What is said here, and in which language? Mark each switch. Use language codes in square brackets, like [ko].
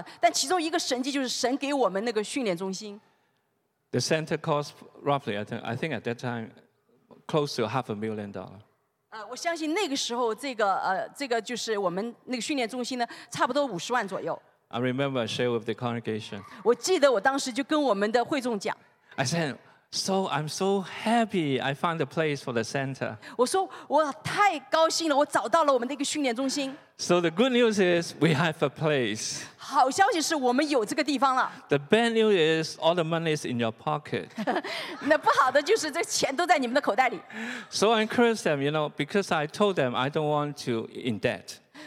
[zh] 我们其实有些神迹是你们可能知道，也可能不知道的。但其中一个神迹就是神给我们那个训练中心。 [en] The center cost roughly, I think at that time, close to $500,000. [zh] 我相信那个时候，这个就是我们那个训练中心呢，差不多50万左右。 [en] I remember I shared with the congregation. [zh] 我记得我当时就跟我们的会众讲。 [en] I said, "So I'm so happy I found a place for the center." [zh] 我说我太高兴了，我找到了我们的一个训练中心。 [en] So the good news is we have a place. [zh] 好消息是我们有这个地方了。 [en] The bad news is all the money is in your pocket. [zh] 那不好的就是这钱都在你们的口袋里。 [en] So I encourage them, you know, because I told them I don't want to in debt.